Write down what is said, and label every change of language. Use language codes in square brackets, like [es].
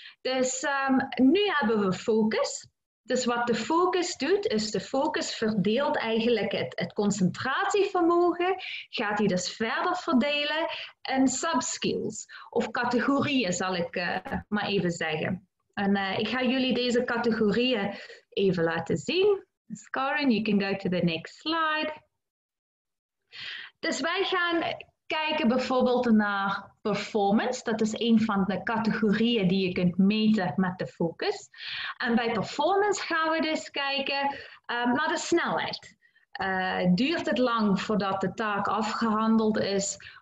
[nl] Dus nu hebben we focus. Dus wat de focus doet, is de focus verdeelt eigenlijk het concentratievermogen, gaat die dus verder verdelen in subskills of categorieën, zal ik maar even zeggen. En ik ga jullie deze categorieën even laten zien. [en] Dus Karen, you can go to the next slide. [nl] Dus wij gaan kijken bijvoorbeeld naar performance. Dat is een van de categorieën die je kunt meten met de focus. En bij performance gaan we dus kijken naar de snelheid. Duurt het lang voordat de taak afgehandeld is?